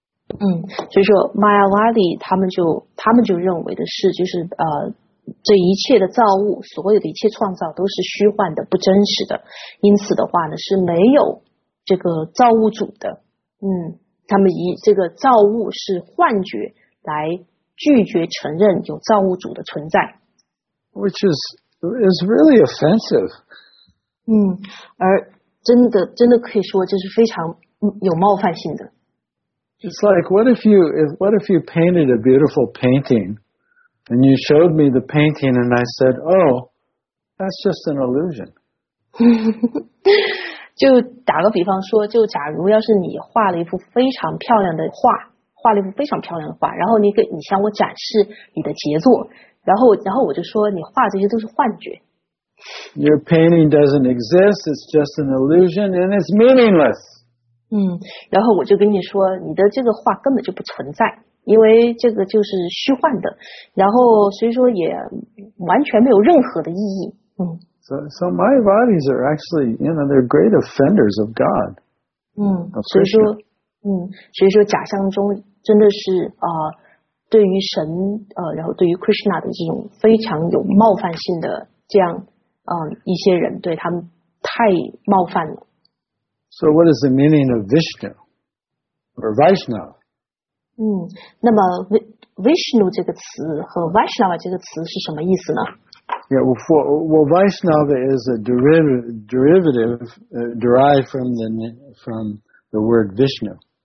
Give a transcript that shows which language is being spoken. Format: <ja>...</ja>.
<zh>所以说 Mayavadi 他们就认为的是，就是这一切的造物，所有的一切创造都是虚幻的，不真实的，因此的话呢是没有这个造物主的。他们以这个造物是幻觉来拒绝承认有造物主的存在。</zh> <en>Which is really offensive.</en> <zh>而真的可以说这是非常有冒犯性的。</zh> <en>It's like, what if you painted a beautiful painting and you showed me the painting and I said, oh, that's just an illusion.</en> <zh>就打个比方说，就假如要是你画了一幅非常漂亮的画，画了一幅非常漂亮的画，然后你向我展示你的杰作，然后我就说你画这些都是幻觉。</zh> <en>Your painting doesn't exist, it's just an illusion and it's meaningless.</en> <zh>然后我就跟你说你的这个画根本就不存在，因为这个就是虚幻的，然后所以说也完全没有任何的意义。</zh> <en>So my bodies are actually, you know, they're great offenders of God.</en> <zh>所以说假象中真的是对于神然后对于 Krishna 的这种非常有冒犯性的这样一些人，对他们太冒犯了。</zh> <en>So what is the meaning of Vishnu or Vaishnava?</en> <zh>那么 Vishnu 这个词和 Vaishnava 这个词是什么意思呢？</zh> <en>Yeah, well, Vaishnava is a derivative derived from the word Vishnu.</en>